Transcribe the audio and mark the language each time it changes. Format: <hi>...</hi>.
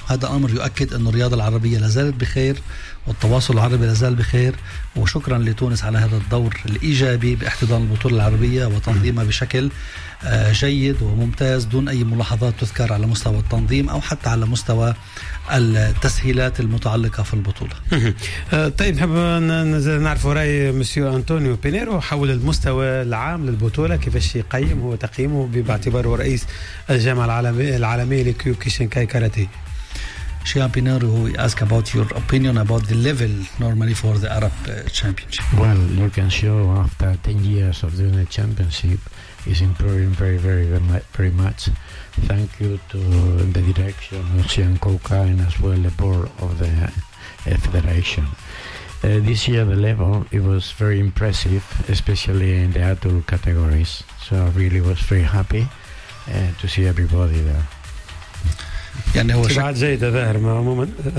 <ar>هذا أمر يؤكد أن الرياضة العربية لازالت بخير، والتواصل العربي لازال بخير، وشكرا لتونس على هذا الدور الإيجابي باحتضان البطولة العربية وتنظيمها بشكل جيد وممتاز، دون أي ملاحظات تذكر على مستوى التنظيم أو حتى على مستوى التسهيلات المتعلقة في البطولة. طيب نحب نعرف رأي مسيو أنطونيو بينيرو حول المستوى العام للبطولة، كيفاش يقيم هو تقييمه باعتباره رئيس الجامعة العالمية لكيوكيشين كاي كاراتي.</ar> <en>Chien Pinero, who asked about your opinion about the level normally for the Arab Championship. Well, you can show after 10 years of doing a championship is improving very, very, very much. Thank you to the direction of Chien Kouka and as well the board of the federation. This year the level, it was very impressive, especially in the adult categories. So I really was very happy to see everybody there.</en> <ar>يعني هو شكر جيد ظاهر عموما،</ar>